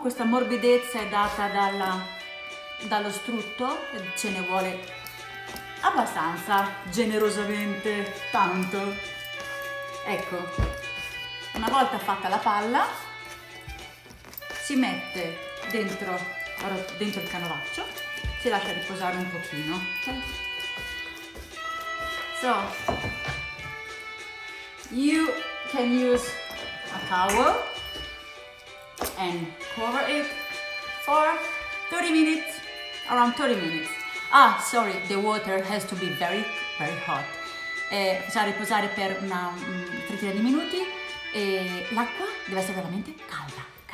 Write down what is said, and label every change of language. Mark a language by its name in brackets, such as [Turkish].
[Italian] Questa morbidezza è data dallo strutto, ce ne vuole abbastanza, generosamente, tanto. Ecco, una volta fatta la palla si mette dentro il canovaccio, si lascia riposare un pochino. [English] So you can use a towel and cover it for 30 minutes, around 30 minutes. Ah, sorry, the water has to be very, very hot. [Italian] Bisogna riposare per una trentina di minuti e l'acqua deve essere veramente calda.